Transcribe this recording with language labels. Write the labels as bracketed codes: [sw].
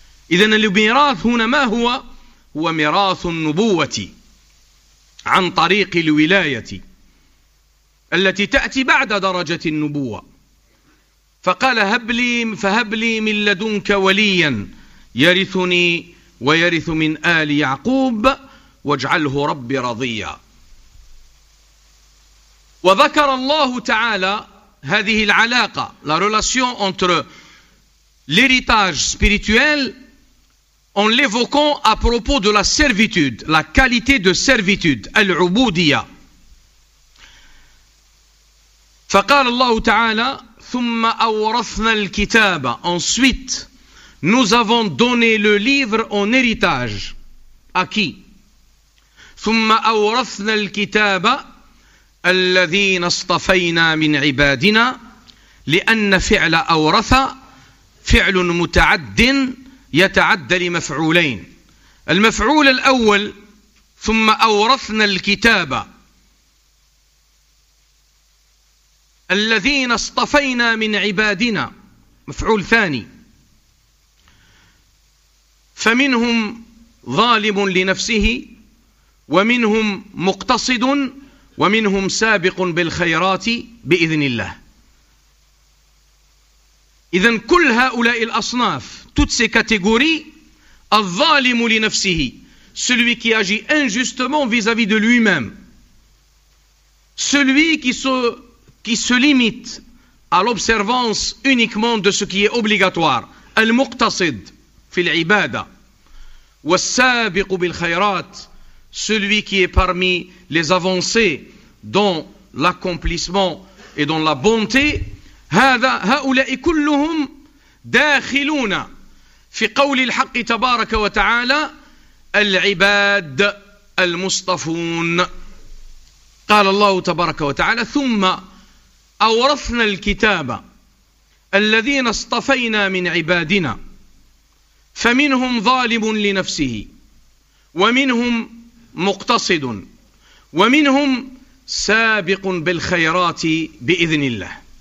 [ar] إذن الميراث هنا ما هو؟ هو ميراث النبوة عن طريق الولاية التي تأتي بعد درجة النبوة. فقال فهب لي من لدنك وليا يرثني ويرث من آل يعقوب واجعله ربي رضيا. وذكر الله تعالى هذه العلاقة [fr] la relation entre l'héritage spirituel en l'évoquant à propos de la servitude, la qualité de servitude, العبودية. [ar] فقال الله تعالى ثم أورثنا الكتاب. [fr] Ensuite, nous avons donné le livre en héritage. À qui? [ar] ثم أورثنا الكتاب الذين اصطفينا من عبادنا لأن فعل أورث فعل متعد يتعد لمفعولين. المفعول الأول ثم أورثنا الكتاب الذين اصطفينا من عبادنا مفعول ثاني فمنهم ظالم لنفسه ومنهم مقتصد ومنهم سابق بالخيرات بإذن الله. إذن كل هؤلاء الأصناف [fr] toutes ces catégories [ar] الظالم لنفسه [fr] celui qui agit injustement vis-à-vis de lui-même celui qui se limite à l'observance uniquement de ce qui est obligatoire, [ar] al-muqtasid fi al-ibada wa as-sabiq bil khayrat, [fr] celui qui est parmi les avancés dans l'accomplissement et dans la bonté, [ar] hada ha'ula'i kulluhum dakhiluna fi qawli al-haqq tabaraka wa ta'ala al-ibad al-mustafun. Qala Allah tabaraka wa ta'ala thumma أورثنا الكتاب الذين اصطفينا من عبادنا فمنهم ظالم لنفسه ومنهم مقتصد ومنهم سابق بالخيرات بإذن الله.